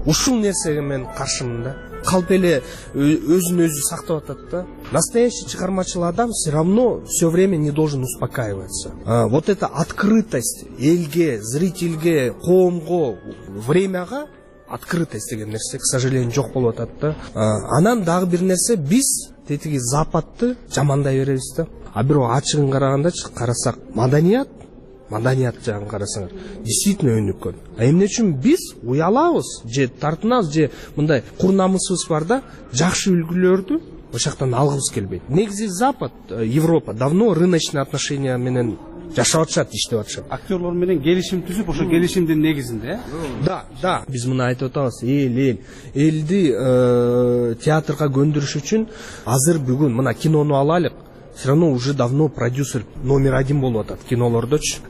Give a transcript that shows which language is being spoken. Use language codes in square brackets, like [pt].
[ky] Ушул нерсеге мен каршымын да. Калп эле өзүн өзү сактап атат да. [ru] Настоящий [ky] чыгармачыл адам [ru] все равно все время не должен успокаиваться. Вот эта открытость [ky] элге, зрительге, коомго, времяга открытость деген нерсе, к сожалению, жок болуп атат да. Анан дагы бир нерсе, биз тетиги Западды жамандай беребиз да. А бирок ачыгын карагандачы карасак, маданият жагын карасаңар, действительно өнүккөн. А эмне үчүн биз уялабыз же тартынабыз же мындай курнамысыбыз бар да, жакшы үлгүлөрдү ошактан алгыбыз келбейт. Негизи Запад, Европа [ru] давно рыночные отношения [ky] менен жашап атышат, иштеп атышат. Актерлор менен келишим түзүп, ошо келишимдин негизинде э? Да, да. Биз муну айтып атабыз. Эл. Элди театрга көндүрүш үчүн азыр бүгүн мына кинону алалык. [ru] Все равно уже давно продюсер номер один [ky] болуп атат кинолордочу.